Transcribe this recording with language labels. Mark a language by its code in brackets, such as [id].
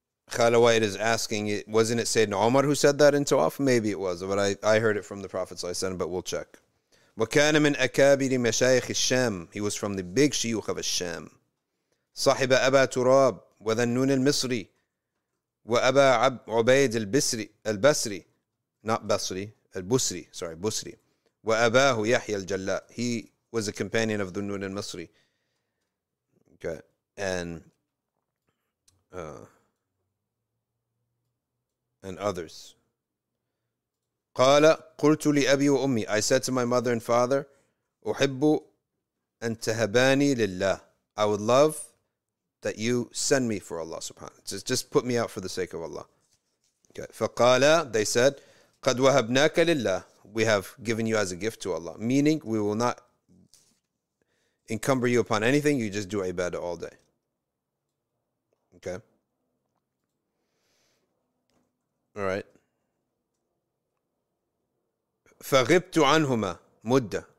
[en] Khala White is asking, wasn't it Sayyidina Umar who said that in Tawaf? Maybe it was, but I heard it from the Prophet [ar] صلى الله عليه وسلم, [en] but we'll check. [ar] وكان من أكابر مشايخ الشام. [en] He was from the big شيوخ of الشام. [ar] صاحب أبا تراب وذنون المصري وأبا عبيد البسري البصري, [en] not [ar] بصري, البصري, [en] sorry, [ar] بصري. وأباه يحيى الجلاء. [en] He was a companion of ذنون المصري. Okay. And others. [ar] قال قلت لأبي وأمي. [en] I said to my mother and father, [ar] أحب أن تهباني لله. [en] I would love that you send me for Allah subhanahu wa ta'ala. Just put me out for the sake of Allah. Okay. [ar] فَقَالَ, [en] they said, [ar] قَدْ وَهَبْنَاكَ لِلَّهِ. [en] We have given you as a gift to Allah. Meaning, we will not encumber you upon anything. You just do ibadah all day. Okay. All right. [ar] فَغِبْتُ عَنْهُمَا مُدَّةً.